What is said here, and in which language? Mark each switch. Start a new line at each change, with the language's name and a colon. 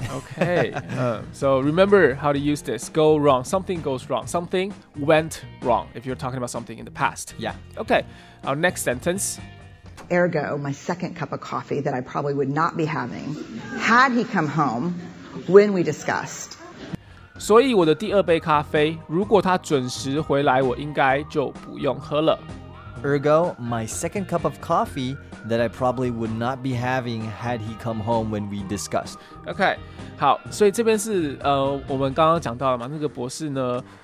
English: Okay. So remember how to use this. Go wrong. Something goes wrong. Something went wrong. If you're talking about something in the past. Yeah. Okay. Our next sentence. Ergo, my second cup of coffee that I probably would not be having had he come home when we discussed.
Chinese: 所以我的第二杯咖啡，如果他准时回来，我应该就不用喝了。
English: Ergo, my second cup of coffee that I probably would not be having had he come home when we discussed.
Chinese: Okay. 好，所以这边是我们刚刚讲到了嘛，那个博士呢